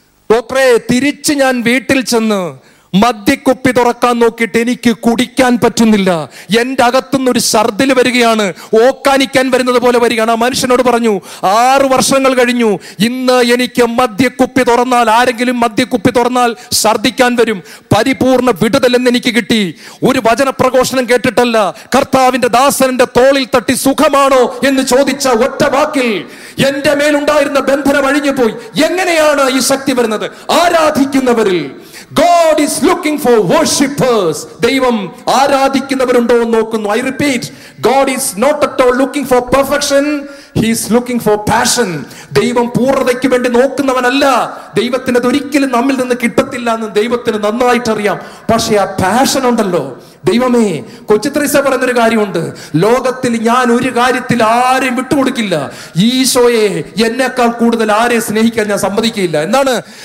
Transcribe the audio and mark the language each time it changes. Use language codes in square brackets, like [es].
[ml] ഡോക്ടറെ, തിരിച്ച് ഞാൻ വീട്ടിൽ ചെന്ന് മദ്യക്കുപ്പി തുറക്കാൻ നോക്കിയിട്ട് എനിക്ക് കുടിക്കാൻ പറ്റുന്നില്ല, എൻ്റെ അകത്തുനിന്ന് ഒരു ഛർദ്ദിൽ വരികയാണ്, ഓക്കാനിക്കാൻ വരുന്നത് പോലെ വരികയാണ്. ആ മനുഷ്യനോട് പറഞ്ഞു, 6 വർഷങ്ങൾ കഴിഞ്ഞു, ഇന്ന് എനിക്ക് മദ്യക്കുപ്പി തുറന്നാൽ, ആരെങ്കിലും മദ്യക്കുപ്പി തുറന്നാൽ ഛർദ്ദിക്കാൻ വരും, പരിപൂർണ വിടുതൽ എന്ന് എനിക്ക് കിട്ടി. ഒരു വചനപ്രഘോഷണം കേട്ടിട്ടല്ല, കർത്താവിൻ്റെ ദാസനൻ്റെ തോളിൽ തട്ടി സുഖമാണോ എന്ന് ചോദിച്ച ഒറ്റ വാക്കിൽ എൻ്റെ മേലുണ്ടായിരുന്ന ബന്ധനം അഴിഞ്ഞു പോയി. എങ്ങനെയാണ് ഈ ശക്തി വരുന്നത്? ആരാധിക്കുന്നവരിൽ. [en] God is looking for worshippers. [ml] ദൈവം ആരാധിക്കുന്നവരുണ്ടോ എന്ന് നോക്കുന്നു. [en] I repeat, God is not at all looking for perfection. He is looking for passion. [ml] ദൈവം പൂർണ്ണതയ്ക്ക് വേണ്ടി നോക്കുന്നവനല്ല. ദൈവത്തിന് അതൊരിക്കലും നമ്മിൽ നിന്ന് കിട്ടത്തില്ല എന്ന് ദൈവത്തിന് നന്നായിട്ടറിയാം. പക്ഷേ ആ പാഷൻ ഉണ്ടല്ലോ. ദൈവമേ, കൊച്ചുത്രീസ പറഞ്ഞൊരു കാര്യമുണ്ട്, ലോകത്തിൽ ഞാൻ ഒരു കാര്യത്തിൽ ആരെയും വിട്ടുകൊടുക്കില്ല, ഈശോയെ എന്നേക്കാൾ കൂടുതൽ ആരെ സ്നേഹിക്കാൻ ഞാൻ സമ്മതിക്കില്ല. എന്താണ്?